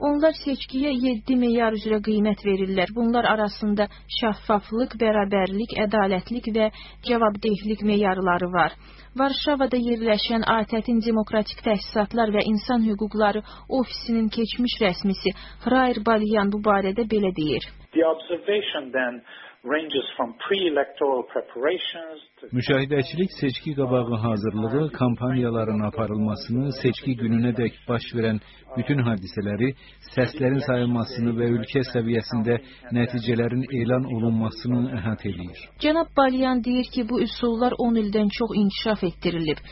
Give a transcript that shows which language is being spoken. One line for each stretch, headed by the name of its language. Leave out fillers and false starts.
Azerbaijani: Qadınlar seçkiyə 7 meyar üzrə qiymət verirlər. Bunlar arasında şəffaflıq, bərabərlik, ədalətlik və cavabdehlik meyarları var. Varşavada yerləşən ATƏT-in Demokratik Təhsisatlar və İnsan Hüquqları Ofisinin keçmiş rəsmisi Hrair Balyan bu barədə belə deyir.
English: The observation then ranges from pre-electoral preparations
Azerbaijani: to müşahidəçilik seçki qabağı hazırlığı, kampaniyaların aparılmasını, seçki gününə dək baş verən bütün hadisələri, səslərin sayılmasını və ölkə səviyyəsində nəticələrin elan olunmasını əhatə edir. Cənab Balyan deyir ki, bu üsullar 10 ildən çox inkişaf etdirilib.